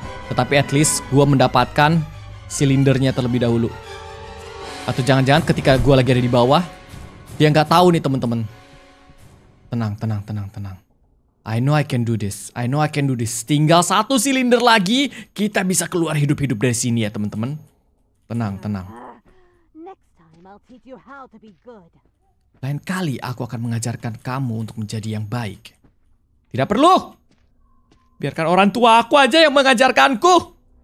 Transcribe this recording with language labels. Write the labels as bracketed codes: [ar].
[id] Tetapi [en] at least [id] gua mendapatkan silindernya terlebih dahulu. Atau jangan-jangan ketika gua lagi ada di bawah, dia enggak tahu nih, teman-teman. Tenang. [en] I know I can do this. [id] Tinggal satu silinder lagi, kita bisa keluar hidup-hidup dari sini ya, teman-teman. Tenang. [en] Next time I'll teach you how to be good. [id] Lain kali aku akan mengajarkan kamu untuk menjadi yang baik. Tidak perlu. Biarkan orang tua aku aja yang mengajarkanku.